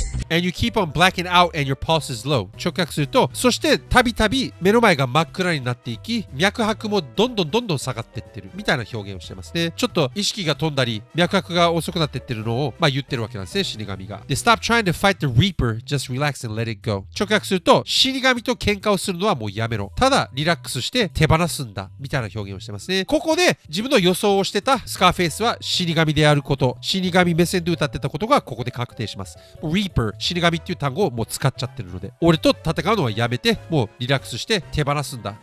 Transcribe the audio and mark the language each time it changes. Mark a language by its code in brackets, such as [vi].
[en] And you keep on blacking out and your pulse is low. [ja] 直訳すると、そしてたびたび目の前が真っ暗になっていき、脈拍もどんどんどんどん下がっていってるみたいな表現をしてますね。ちょっと意識が飛んだり、脈拍が遅くなっていってるのを、まあ言ってるわけなんですね、死神が。 [en] で、Stop trying to fight the Reaper, just relax and let it go. [ja] 直訳すると、死神と喧嘩をするのはもうやめろ。ただ、リラックスして手放すんだ、みたいな表現をしてますね。ここで、自分の予想をしてたスカーフェイスは死神であること、死神目線で歌ってたことがここで確定します。 Reaper、死神っていう単語をもう使っちゃってるので、俺と戦うのはやめて、もうリラックスして手放すんだ。